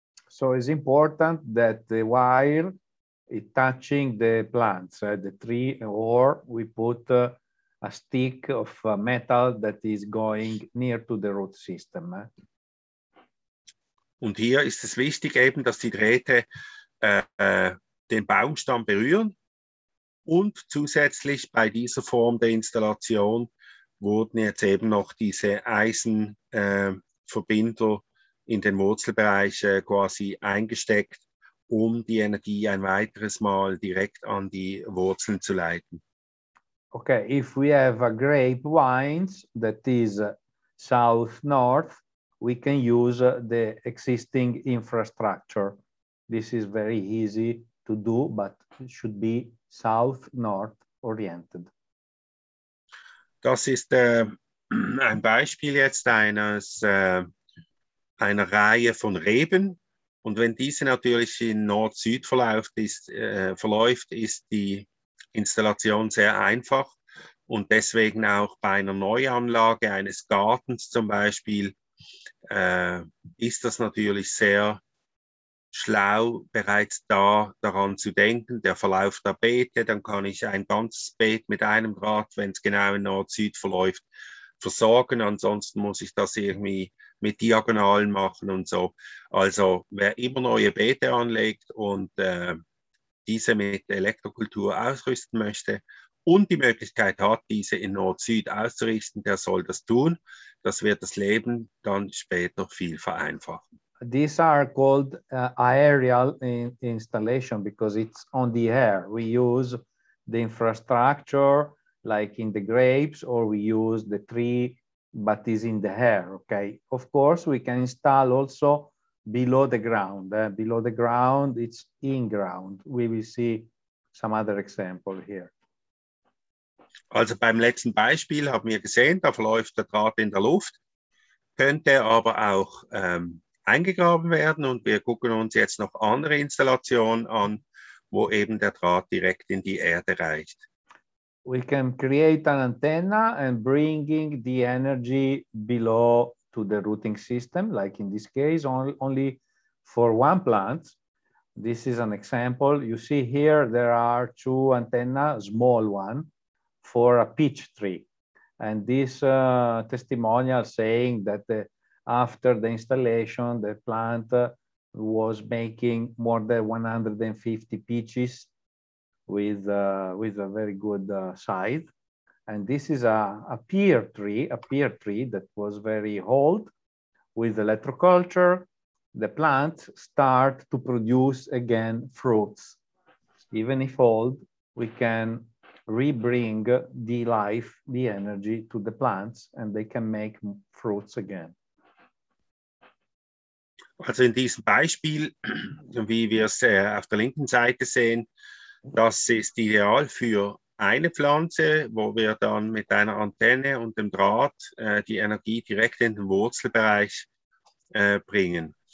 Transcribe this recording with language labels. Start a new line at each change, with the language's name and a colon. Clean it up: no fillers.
English: So it's important that the wire it touching the plants, the tree, or we put a stick of metal that is going near to the root system.
German: Und hier ist es wichtig eben, dass die Drähte den Baumstamm berühren und zusätzlich bei dieser Form der Installation wurden jetzt eben noch diese Eisenverbinder in den Wurzelbereich quasi eingesteckt, um die Energie ein weiteres Mal direkt an die Wurzeln zu leiten.
English: Okay, if we have a grape vines that is south-north, we can use the existing infrastructure. This is very easy to do, but it should be south-north oriented.
German: Das ist ein Beispiel jetzt einer Reihe von Reben. Und wenn diese natürlich in Nord-Süd verläuft, ist die Installation sehr einfach. Und deswegen auch bei einer Neuanlage eines Gartens zum Beispiel, ist das natürlich sehr schlau, bereits da daran zu denken. Der Verlauf der Beete, dann kann ich ein ganzes Beet mit einem Draht, wenn es genau in Nord-Süd verläuft, versorgen. Ansonsten muss ich das irgendwie mit Diagonalen machen und so. Also wer immer neue Beete anlegt und diese mit Elektrokultur ausrüsten möchte und die Möglichkeit hat, diese in Nord-Süd auszurichten, der soll das tun. Das wird das Leben dann später viel vereinfachen.
English: These are called aerial installation because it's on the air. We use the infrastructure like in the grapes, or we use the tree, but is in the air, okay? Of course, we can install also below the ground. Below the ground, it's in ground. We will see some other example here.
German: Also beim letzten Beispiel haben wir gesehen, da verläuft der Draht in der Luft, könnte aber auch eingegraben werden, und wir gucken uns jetzt noch andere Installationen an, wo eben der Draht direkt in die Erde reicht.
English: We can create an antenna and bringing the energy below to the rooting system, like in this case, only for one plant. This is an example. You see here, there are two antennas, small one, for a peach tree. And this testimonial saying that after the installation, the plant was making more than 150 peaches with a very good size. And this is a pear tree that was very old. With electroculture, the plants start to produce again fruits. Even if old, we can rebring the life, the energy to the plants, and they can make fruits again.
German: Also in diesem Beispiel, wie wir es auf der linken Seite sehen, das ist ideal für eine Pflanze, wo wir dann mit einer Antenne und dem Draht die Energie direkt in den Wurzelbereich bringen.